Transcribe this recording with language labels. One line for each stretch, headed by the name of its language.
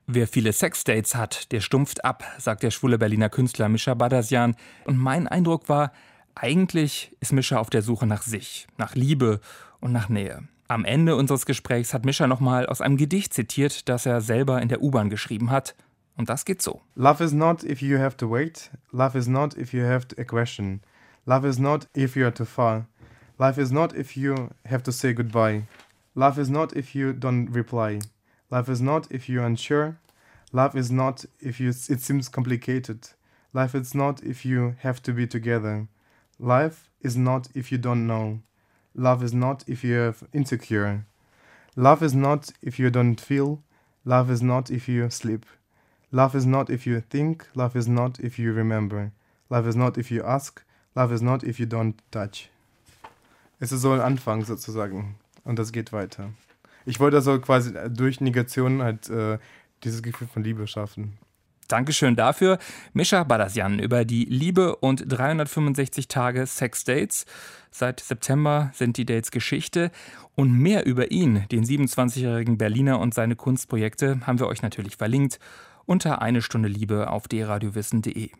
German: Wer viele Sexdates hat, der stumpft ab, sagt der schwule Berliner Künstler Mischa Badasyan. Und mein Eindruck war, eigentlich ist Mischa auf der Suche nach sich, nach Liebe und nach Nähe. Am Ende unseres Gesprächs hat Mischa nochmal aus einem Gedicht zitiert, das er selber in der U-Bahn geschrieben hat. Und das geht so.
English: Love is not if you have to wait. Love is not if you have a question. Love is not if you are too far. Life is not if you have to say goodbye. Love is not if you don't reply. Love is not if you're unsure. Love is not if it seems complicated. Life is not if you have to be together. Life is not if you don't know. Love is not if you're insecure. Love is not if you don't feel. Love is not if you sleep. Love is not if you think. Love is not if you remember. Love is not if you ask. Love is not if you don't touch.
German: Es ist so ein Anfang sozusagen. Und das geht weiter. Ich wollte also quasi durch Negation halt dieses Gefühl von Liebe schaffen. Dankeschön dafür, Mischa Badasyan, über die Liebe und 365 Tage Sexdates. Seit September sind die Dates Geschichte. Und mehr über ihn, den 27-jährigen Berliner und seine Kunstprojekte, haben wir euch natürlich verlinkt unter eine Stunde Liebe auf dradiowissen.de.